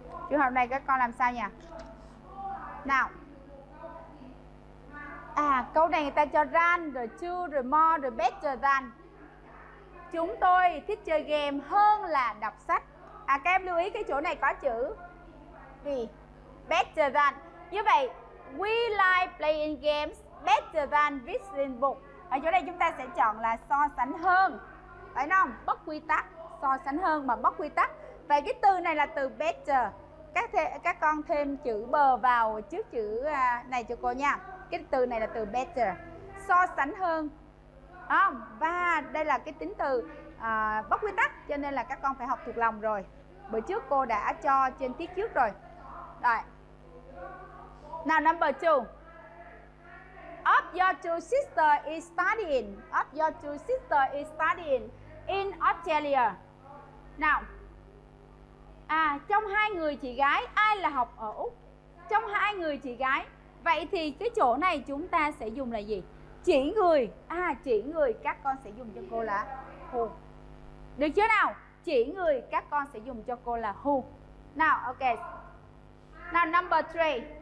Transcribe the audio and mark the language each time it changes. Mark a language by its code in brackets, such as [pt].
[vi] Trường hợp này các con làm sao nhỉ? Nào. À, câu này người ta cho than, rồi to, rồi more, rồi better than. Chúng tôi thích chơi game hơn là đọc sách. À, các em lưu ý cái chỗ này có chữ gì? [en] Better than. [vi] Như vậy, [en] we like playing games better than reading books. [vi] Ở chỗ này chúng ta sẽ chọn là so sánh hơn. Phải không? Bất quy tắc. So sánh hơn mà bất quy tắc. Vậy cái từ này là từ better. Các con thêm chữ bờ vào trước chữ này cho cô nha. Cái từ này là từ better. So sánh hơn. Không? Và đây là cái tính từ bất quy tắc. Cho nên là các con phải học thuộc lòng rồi. Bữa trước cô đã cho trên tiết trước rồi. Rồi. [en] Now number 2. Of your two sister is studying. Of your two sister is studying in Australia. Now. [vi] À, trong hai người chị gái ai là học ở Úc? Trong hai người chị gái. Vậy thì cái chỗ này chúng ta sẽ dùng là gì? Chỉ người. À, chỉ người các con sẽ dùng cho cô là who. Được chưa nào? Chỉ người các con sẽ dùng cho cô là who. [en] Now, okay. Now number 3.